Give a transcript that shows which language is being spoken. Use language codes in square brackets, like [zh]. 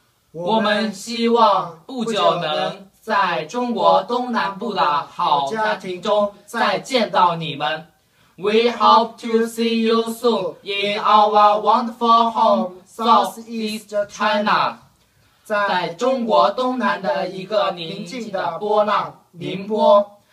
[zh] 我们希望不久能在中国东南部的好家庭中再见到你们。 [en] We hope to see you soon in our wonderful home, Southeast China. [zh] 在中国东南的一个宁静的波浪宁波。